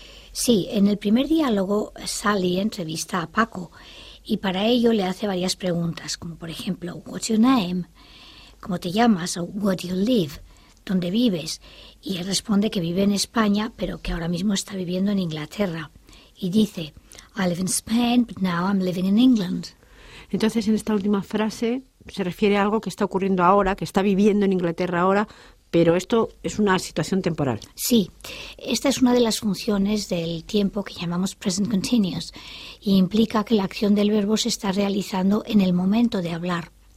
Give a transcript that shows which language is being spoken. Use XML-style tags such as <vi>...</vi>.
<es>Sí, en el primer diálogo Sally entrevista a Paco y para ello le hace varias preguntas, como por ejemplo,</es> <en>what's your name?</en> <es>¿Cómo te llamas?</es> <en>O where do you live?</en> <es>¿Dónde vives? Y él responde que vive en España, pero que ahora mismo está viviendo en Inglaterra. Y dice,</es> <en>I live in Spain, but now I'm living in England.</en> <es>Entonces, en esta última frase se refiere a algo que está ocurriendo ahora, que está viviendo en Inglaterra ahora, pero esto es una situación temporal. Sí, esta es una de las funciones del tiempo que llamamos present continuous y implica que la acción del verbo se está realizando en el momento de hablar.</es>